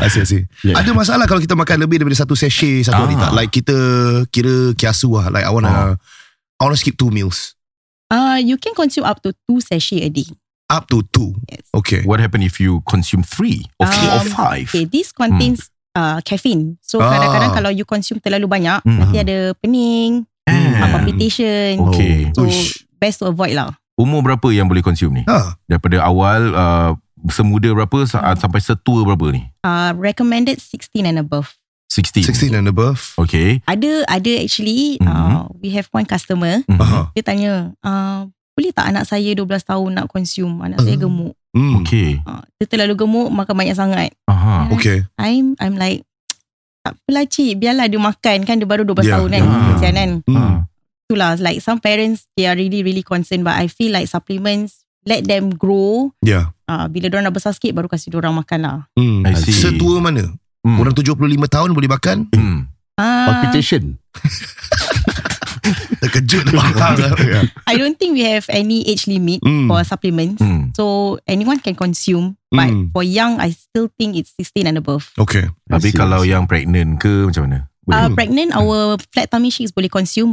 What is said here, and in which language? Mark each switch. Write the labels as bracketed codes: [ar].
[ms] Ada masalah kalau kita makan lebih daripada satu sachet satu hari tak? [en] Like [ms] kita kira kiasu lah. [en] Like I want to skip 2 meals. You can consume up to 2 sachets a day. Up to 2? Yes. Okay. What happen if you consume 3 or 4 or 5? Okay, this contains caffeine. So [ms] kadang-kadang kalau [en] you consume [ms] terlalu banyak, nanti ada pening, [en] palpitation. Okay. So best to avoid lah. [ms] Umur berapa yang boleh consume ni? Daripada awal, semuda berapa sampai setua berapa ni? [en] Recommended 16 and above. 16 and above. Okay. [ms] Ada [en] actually, we have one customer. [ms] Dia tanya, boleh tak anak saya 12 tahun nak consume? Anak saya gemuk. [en] Okay. [ms] Dia terlalu gemuk, makan banyak sangat. [en] Okay. I'm like, [ms] tak apalah cik, biarlah dia makan kan, dia baru 12 tahun kan. Kesian kan. [en] Itulah, like some parents, they are really really concerned, but I feel like supplements, let them grow. Yeah. [ms] Bila dorang dah besar sikit, baru kasih dorang makan lah. [en] I see. [ms] Setua mana? Orang 75 tahun boleh makan? [en] Palpitation. [ms] Terkejut lah. [en] I don't think we have any age limit for supplements. So anyone can consume. But for young, I still think it's 16 and above. Okay. [ms] Habis kalau yang pregnant ke macam mana? [en] Pregnant, our flat tummy shakes boleh consume.